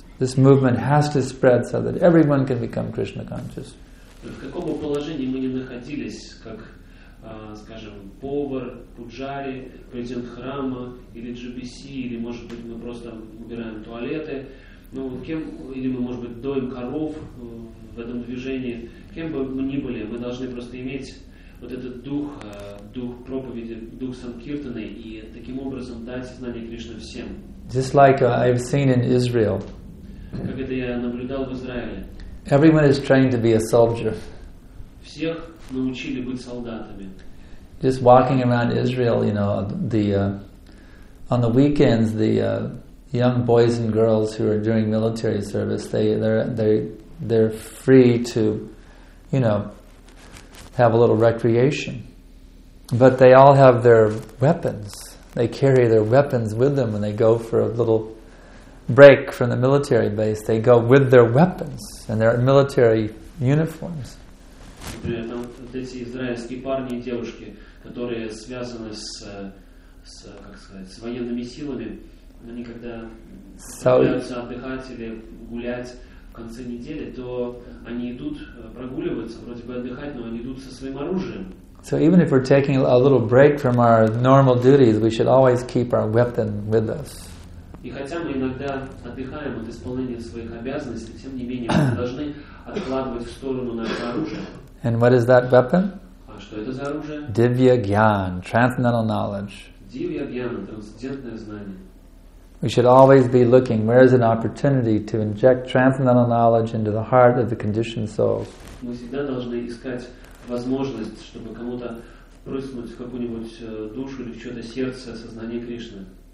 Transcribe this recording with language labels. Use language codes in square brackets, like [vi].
[en] This movement has to spread so that everyone can become Krishna conscious. [ru] В каком бы положении мы ни находились, как, скажем, повар, пуджари, президент храма, или GBC, или, может быть, мы просто убираем туалеты, ну, кем, или мы, может быть, доим коров в этом движении, кем бы мы ни были, мы должны просто иметь вот этот дух, дух проповеди, дух Санкиртаны, и таким образом дать знание Кришны всем. [en] Just like I've seen in Israel. [ru] Как это я наблюдал в Израиле. [en] Everyone is trained to be a soldier. [ru] Всех научили быть солдатами. [en] Just walking around Israel, you know, on the weekends, young boys and girls who are doing military service, they're free to, you know, have a little recreation. But they all have their weapons. They carry their weapons with them when they go for a little break from the military base. They go with their weapons and their military uniforms. [ru] Эти израильские парни и девушки, которые связаны с военными силами, они когда собираются отдыхать или гулять в конце недели, то они идут прогуливаться, вроде бы отдыхать, но они идут со своим оружием. [en] So even if we're taking a little break from our normal duties, we should always keep our weapon with us. [ru] И хотя мы иногда отдыхаем от исполнения своих обязанностей, тем не менее мы должны откладывать в сторону наше оружие. [en] And what is that weapon? [ru] А что это за оружие? [en] Divya Gyan, transcendental knowledge. [ru] Divya Gyan, трансцендентное знание. [en] We should always be looking where is an opportunity to inject transcendental knowledge into the heart of the conditioned souls. [ru] Мы всегда должны искать возможность, чтобы кому-то впрыснуть в какую-нибудь душу или в чьё-то сердце сознание Кришны.